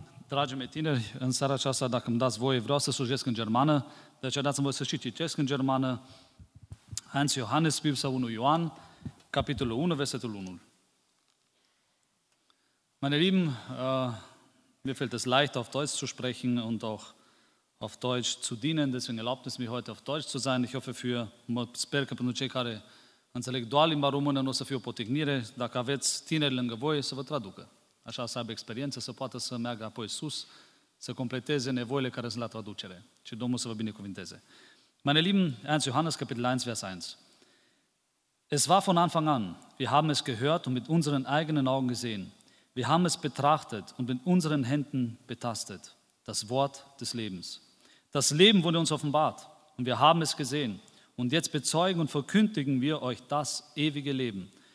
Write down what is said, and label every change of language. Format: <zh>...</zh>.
<ro>Dragii mei tineri, în seara aceasta, dacă îmi dați voie, vreau să slujesc în germană, de aceea dați-mi voie să și citesc în germană</ro> <de>Hans Johannes Bibel</de> <ro>sau 1 Ioan, capitolul 1, versetul 1.</ro> <de>Meine Lieben, mir fällt es leicht, auf Deutsch zu sprechen und auch auf Deutsch zu dienen, deswegen erlaubt es mir heute auf Deutsch zu sein. Ich hoffe für,</de> <ro>sper că pentru cei care înțeleg doar limba română, nu o să fie o potignire, dacă aveți tineri lângă voi, să vă traducă. Așa să aibă experiență, să poată să meargă apoi sus, să completeze nevoile care sunt la traducere. Și Domnul să vă binecuvinteze.</ro> <de>Meine Lieben, Ernst Johannes, Kapitel 1, Vers 1. Es war von Anfang an, wir haben es gehört und mit unseren eigenen Augen gesehen. Wir haben es betrachtet und mit unseren Händen betastet. Das Wort des Lebens. Das Leben wurde uns offenbart und wir haben es gesehen. Und jetzt bezeugen und verkündigen wir euch das ewige Leben.</de>